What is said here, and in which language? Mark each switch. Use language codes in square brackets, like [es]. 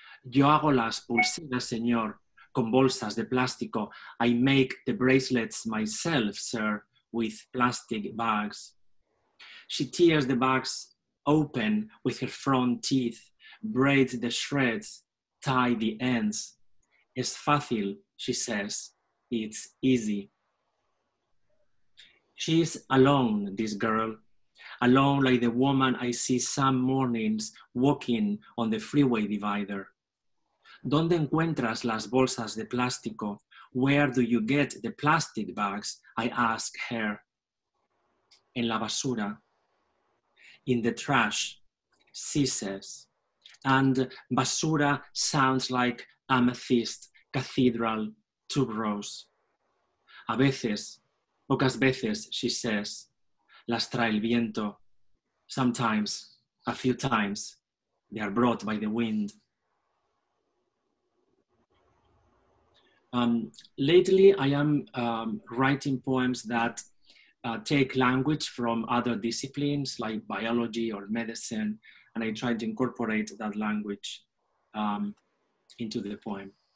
[es] Yo hago las pulseras, señor, con bolsas de plástico. [en] I make the bracelets myself, sir, with plastic bags. She tears the bags open with her front teeth, braids the shreds, tie the ends. [es] Es fácil, [en] she says. It's easy. She's alone, this girl. Alone like the woman I see some mornings walking on the freeway divider. [es] ¿Dónde encuentras las bolsas de plástico? [en] Where do you get the plastic bags? I ask her. [es] En la basura. [en] In the trash, she says. And basura sounds like amethyst, cathedral, tuberose. [es] A veces, pocas veces, [en] she says, [es] las trae el viento. [en] Sometimes, a few times, they are brought by the wind. Lately, I am writing poems that take language from other disciplines like biology or medicine, and I try to incorporate that language into the poem.